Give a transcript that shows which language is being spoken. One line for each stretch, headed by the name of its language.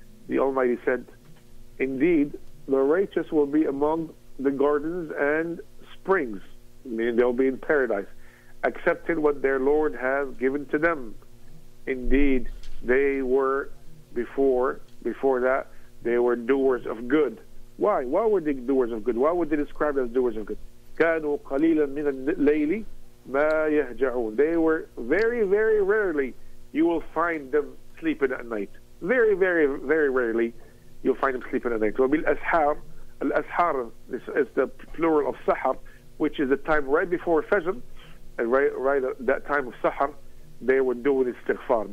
English: The Almighty said, indeed, the righteous will be among the gardens and springs, meaning they'll be in paradise, accepting what their Lord has given to them. Indeed, they were before that, they were doers of good. Why? Why were they doers of good? Why were they described as doers of good?
Arabic: كانوا قليلا من الليل ما يهجعون.
English: They were very, very rarely you will find them sleeping at night. Very, very, very rarely you'll find them sleeping at night.
Arabic: وبالأسحار, الأسحار,
English: this is the plural of سحر, which is the time right before Fajr, and right at that time of سحر, they were doing istighfar.